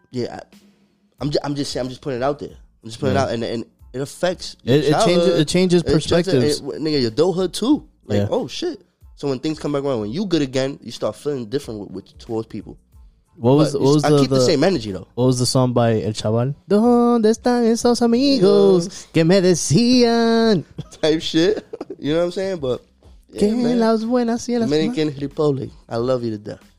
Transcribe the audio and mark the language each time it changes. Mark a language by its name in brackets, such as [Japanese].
[English] Yeah. I'm just putting it out there. I'm just putting it out. And It affects it changes perspectives. Nigga, your adulthood too. Like, yeah. Oh shit. So when things come back around, when you good again, you start feeling different with towards people. I keep the same energy though. What was the song by El Chaval? [Spanish] ¿Dónde están esos amigos que me decían? [English] Type shit. You know what I'm saying? But Dominican Republic, I love you to death.